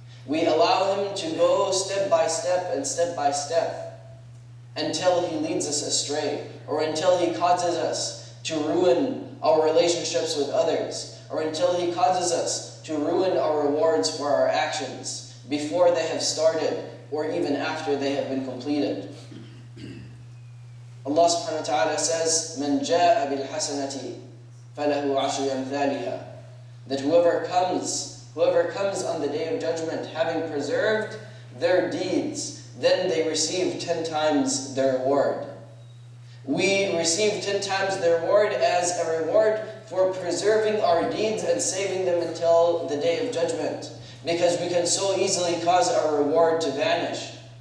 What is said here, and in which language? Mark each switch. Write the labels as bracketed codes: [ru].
[en] We allow him to go step by step and step by step until he leads us astray, or until he causes us to ruin our relationships with others, or until he causes us to ruin our rewards for our actions before they have started or even after they have been completed. Allah subhanahu wa ta'ala says, [ar] مَنْ جَاءَ بِالْحَسَنَةِ فَلَهُ عَشْرِ أَمْثَالِهَا. [en] That whoever comes on the Day of Judgment having preserved their deeds, then they receive 10 times their reward. We receive 10 times their reward as a reward for preserving our deeds and saving them until the Day of Judgment, because we can so easily cause our reward to vanish.